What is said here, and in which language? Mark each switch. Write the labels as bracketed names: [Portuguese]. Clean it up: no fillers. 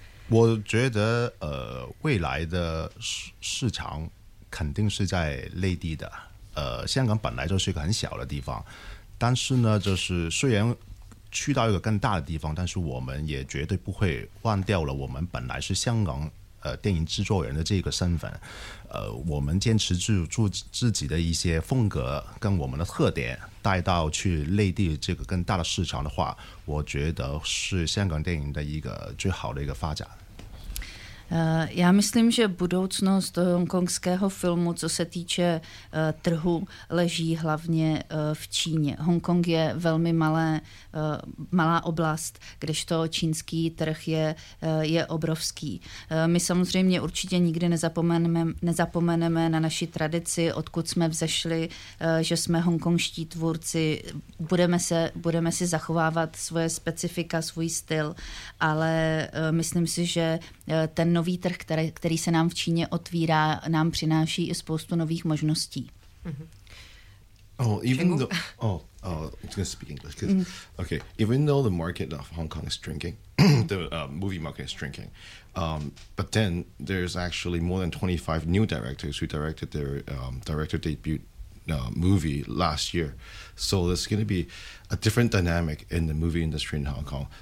[Chinese] 我觉得未来的市场肯定是在内地的，香港本来就是一个很小的地方，但是呢，就是虽然去到一个更大的地方，但是我们也绝对不会忘掉了我们本来是香港电影制作人的这个身份，我们坚持住自己的一些风格跟我们的特点带到去内地这个更大的市场的话，我觉得是香港电影的一个最好的一个发展。 [Czech] Já myslím, že budoucnost hongkongského filmu, co se týče trhu, leží hlavně v Číně. Hongkong je velmi malá oblast, kdežto čínský trh je obrovský. My samozřejmě určitě nikdy nezapomeneme na naši tradici, odkud jsme vzešli, že jsme hongkongští tvůrci. Budeme si zachovávat svoje specifika, svůj styl, ale myslím si, že ten nový trh, který se nám v Číně otvírá, nám přináší i spoustu nových možností. [English] Mm-hmm. I'm going to speak English. Okay, even though the market of Hong Kong is shrinking, the movie market is shrinking, but then there's actually more than 25 new directors who directed their director debut movie last year. So there's going to be a different dynamic in the movie industry in Hong Kong.